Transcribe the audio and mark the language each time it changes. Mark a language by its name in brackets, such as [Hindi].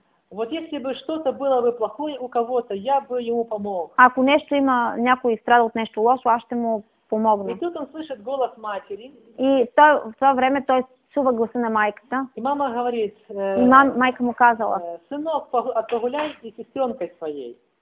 [Russian] Вот если бы что-то было бы плохое у кого-то, я бы ему помог. [Bulgarian] Ако нещо има, някой страда от нещо лошо, аз ще му помогна. [Russian] И тут он слышит голос матери. [Bulgarian] И той, в това време той чува гласа на майката. [Russian] И мама говорит, [Bulgarian] и майка му казала, [Russian] сынок, погуляй с сестренкой своей.